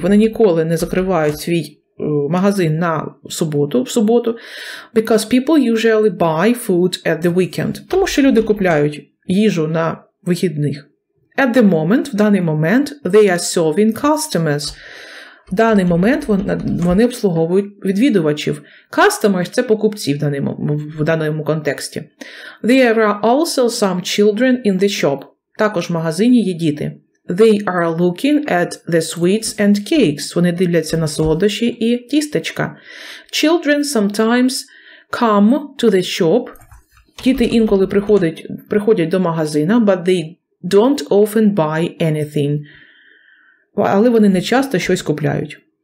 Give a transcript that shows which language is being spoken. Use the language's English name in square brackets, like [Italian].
[Ukrainian] Вони ніколи не закривають свій магазин на суботу, в суботу, [English] because people usually buy food at the weekend. [Ukrainian] Тому що люди купляють їжу на вихідних. [English] At the moment, [Ukrainian] в даний момент, [English] they are serving customers. [Ukrainian] В даний момент вони обслуговують відвідувачів. Customers – це покупці в даному контексті. [English] There are also some children in the shop. [Ukrainian] Також в магазині є діти. [English] They are looking at the sweets and cakes. [Ukrainian] Вони дивляться на солодощі і тістечка. [English] Children sometimes come to the shop. [Ukrainian] Діти інколи приходять до магазина, [English] but they don't often buy anything. [Ukrainian] Але вони не часто щось купляють.